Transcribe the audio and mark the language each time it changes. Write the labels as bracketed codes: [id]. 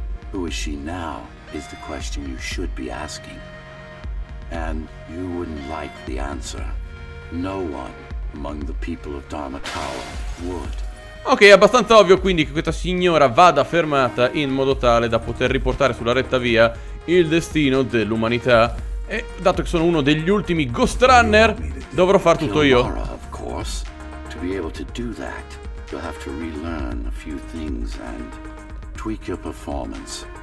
[en] Who is she now, is the question you should be asking. And you wouldn't like the answer. No one among the people of Dharma Tower would. [it] Ok, è abbastanza ovvio quindi che questa signora vada fermata in modo tale da poter riportare sulla retta via il destino dell'umanità. E dato che sono uno degli ultimi Ghost Runner, dovrò far tutto io. [en] Mara, of course. To be able to do that, you'll have to relearn a few things and tweak your performance.